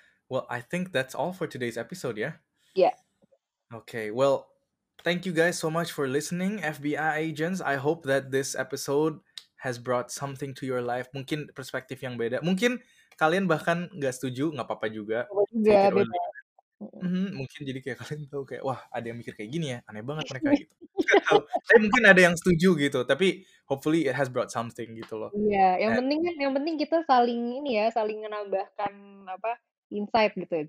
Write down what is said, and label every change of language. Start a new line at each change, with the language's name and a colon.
English: Well, I think that's all for today's episode, ya. Yeah. Okay, well thank you guys so much for listening, FBI agents. I hope that this episode has brought something to your life.
Indonesian: Mungkin perspektif yang beda. Mungkin kalian bahkan nggak setuju, nggak apa-apa juga. Nggak beda. Mungkin jadi kayak kalian tahu kayak, wah ada yang mikir kayak gini ya, aneh banget mereka gitu. Tapi mungkin ada yang setuju gitu.
English: Tapi hopefully it has brought something gitu loh.
Indonesian: Iya, yeah, yang penting kita saling ini ya, saling menambahkan apa insight gitu.